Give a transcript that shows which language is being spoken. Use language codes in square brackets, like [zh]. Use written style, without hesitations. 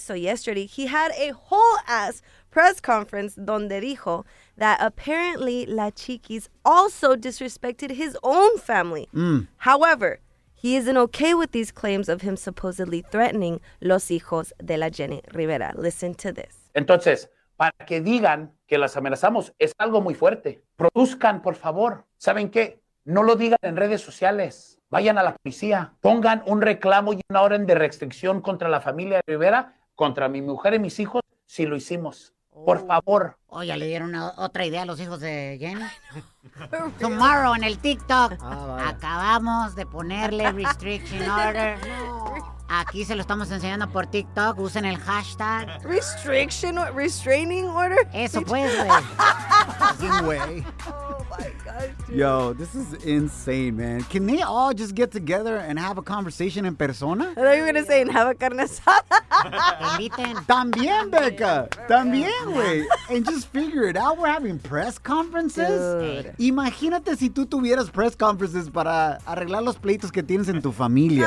[en] So yesterday, he had a whole-ass press conference [es] donde dijo [en] that apparently La Chiquis also disrespected his own family. However, he isn't okay with these claims of him supposedly threatening [es] los hijos de la Jenny Rivera. [en] Listen to this. [es] Entonces, para que digan que las amenazamos, es algo muy fuerte. Produzcan, por favor. ¿Saben qué? No lo digan en redes sociales. Vayan a la policía, pongan un reclamo y una orden de restricción contra la familia Rivera, contra mi mujer y mis hijos, si lo hicimos. Por favor. Oh, ya le dieron otra idea a los hijos de Jenny. [en] Tomorrow [es] en el TikTok. Acabamos de ponerle [en] restriction order. [es] Aquí se lo estamos enseñando por TikTok. Usen el hashtag. [en] Restriction, restraining order. [es] Eso pues, [en] güey. Fucking way. Yo, this is insane, man. Can they all just get together and have a conversation in persona? I thought you were going to say, and have a carne asada. [es] Inviten. También, Becca. También, güey. [en] And just figure it out. We're having press conferences. Dude. [es] Imagínate si tú tuvieras [en] press conferences [es] para arreglar los pleitos que tienes en tu familia.